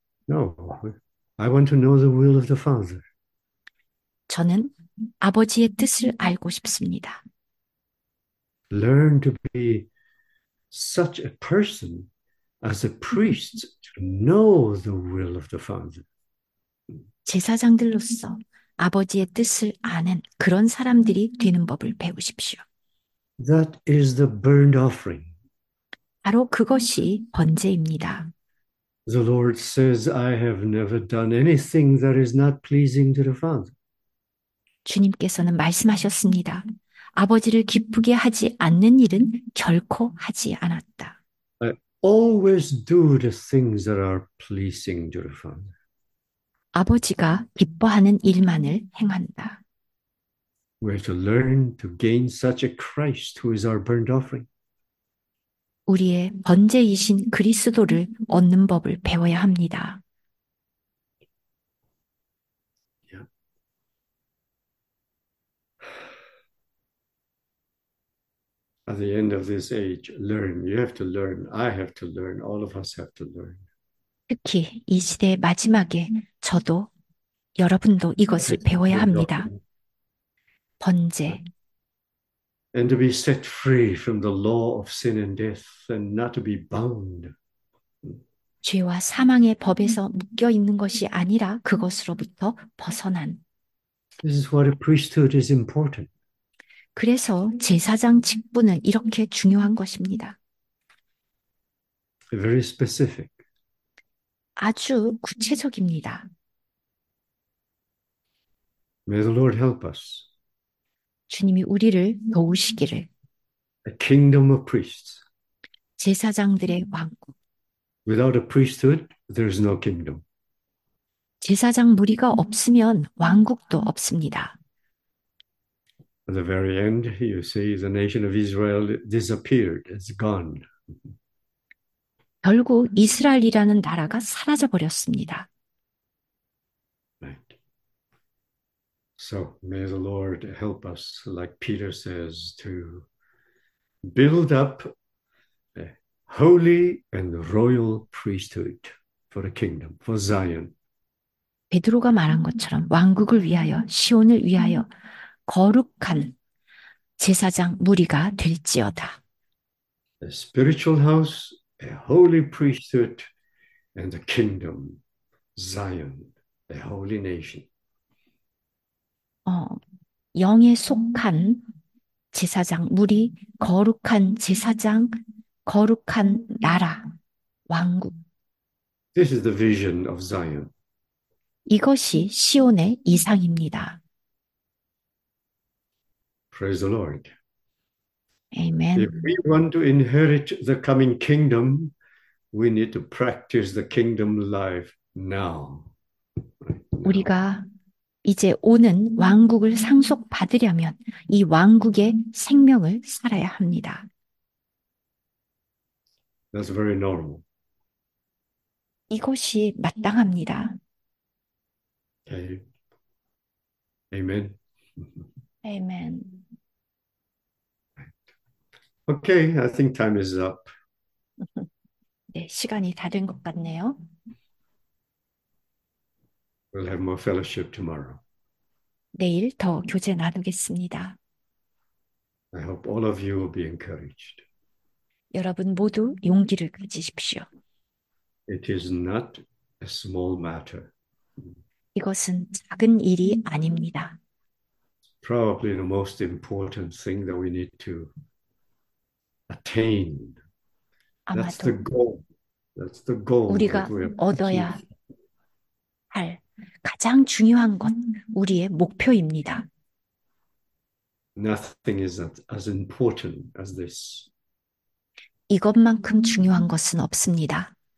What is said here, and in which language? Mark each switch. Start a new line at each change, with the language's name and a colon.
English: No, I want to know the will of the Father.
Korean: 저는 아버지의 뜻을 알고 싶습니다.
English: Learn to be such a person as a priest to know the will of the Father.
Korean: 제사장들로서 아버지의 뜻을 아는 그런 사람들이 되는 법을 배우십시오.
English: That is the burnt offering.
Korean: 바로 그것이 번제입니다.
English: The Lord says, I have never done anything that is not pleasing to the Father.
Korean: 주님께서는 말씀하셨습니다. 아버지를 기쁘게 하지 않는 일은 결코 하지 않았다.
English: I always do the things that are pleasing to the Father.
Korean: 아버지가 기뻐하는 일만을 행한다.
English: We have to learn to gain such a Christ who is our burnt offering.
Korean: 우리의 번제이신 그리스도를 얻는 법을 배워야 합니다.
English: At the end of this age, learn. You have to learn. I have to learn. All of us have to learn.
Korean: 특히 이 시대 마지막에 저도 여러분도 이것을 배워야 합니다. 번제.
English: And to be set free from the law of sin and death and not to be bound.
Korean: 죄와 사망의 법에서 묶여 있는 것이 아니라 그것으로부터 벗어난.
English: This is why the priesthood is important.
Korean: 그래서 제사장 직분은 이렇게 중요한 것입니다.
English: Very specific.
Korean: 아주 구체적입니다.
English: May the Lord help us.
Korean: 주님이 우리를 도우시기를.
English: A kingdom of priests.
Korean: 제사장들의 왕국.
English: Without a priesthood, there is no kingdom.
Korean: 제사장 무리가 없으면 왕국도 없습니다.
English: At the very end, you see the nation of Israel disappeared, it's gone.
Korean: 결국 이스라엘이라는 나라가 사라져 버렸습니다.
English: So may the Lord help us, like Peter says, to build up a holy and royal priesthood for the kingdom, for Zion.
Korean: 베드로가 말한 것처럼 왕국을 위하여 시온을 위하여 거룩한 제사장 무리가 될지어다.
English: A spiritual house, a holy priesthood, and the kingdom, Zion, a holy nation.
Korean: 영에 속한 제사장 무리, 거룩한 제사장, 거룩한 나라, 왕국.
English: This is the vision of Zion.
Korean: 이것이 시온의 이상입니다.
English: Praise the Lord. If Amen. we want to inherit the coming kingdom, we need to practice the kingdom life now. Now.
Korean: 우리가 이제 오는 왕국을 상속받으려면 이 왕국의 생명을 살아야 합니다.
English: That's very normal.
Korean: 이것이 마땅합니다.
English: Amen. Amen. Okay, I think time is up.
Korean: 네, 시간이 다된것 같네요.
English: We'll have more fellowship tomorrow.
Korean: 내일 더 교제 나누겠습니다.
English: I hope all of you will be encouraged.
Korean: 여러분 모두 용기를 가지십시오.
English: It is not a small matter.
Korean: 이것은 작은 일이 아닙니다.
English: Probably the most important thing that we need to attain. That's the
Korean: 아마도
English: goal. That's the goal that
Korean: 우리가
English: we have to
Korean: 얻어야
English: achieve.
Korean: 할 가장 중요한 건 우리의 목표입니다.
English: Nothing is as important as this.
Korean: 이것만큼 중요한 것은 없습니다.